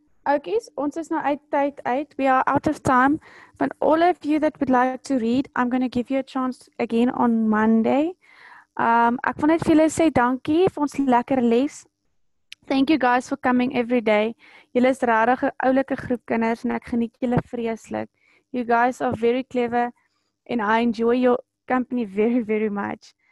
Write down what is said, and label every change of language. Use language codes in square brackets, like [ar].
[af] Oké, ons is nou uit tijd uit. [en] We are out of time. But all of you that would like to read, I'm going to give you a chance again on Monday. [af] Ek wil net vir julle sê dankie vir ons lekker les. [en] Thank you guys for coming every day. [af] Julle is regtig 'n oulike groep kinders en ek geniet julle vreeslik. [en] You guys are very clever and I enjoy your company very, very much.